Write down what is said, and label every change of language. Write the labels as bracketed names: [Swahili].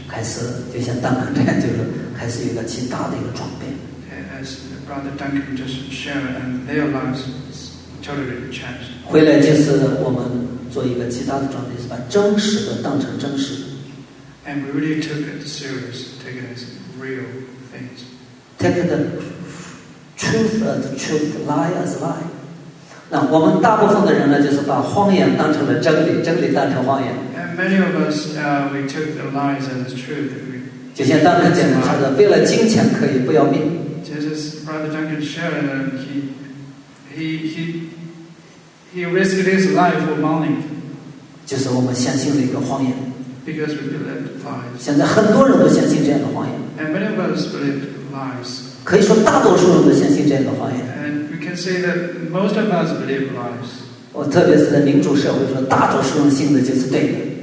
[Chinese] 开始就像Duncan这样，就是开始有一个极大的一个转变。 [English] As Brother Duncan just shared, and their lives totally changed. [Chinese] 回来就是我们做一个极大的转变，是把真实的当成真实的。 [English] And we really took it serious, take it as real things. Take the truth as truth, lie as lie. [Chinese] 那我们大部分的人呢，就是把谎言当成了真理，真理当成谎言。 [English] Many of us, we took the lies as truth. [Chinese] 就像当时讲的，为了金钱可以不要命。 [English] Jesus, Brother Duncan shared, he risked his life for money. [Chinese] 就是我们相信了一个谎言。 [English] Because we believed lies. [Chinese] 现在很多人都相信这样的谎言。 [English] And many of us believed lies. [Chinese] 可以说大多数人都相信这样的谎言。 [English] And we can say that most of us believe lies. [Chinese] 我特别是在民主社会说，大多数人信的就是对的。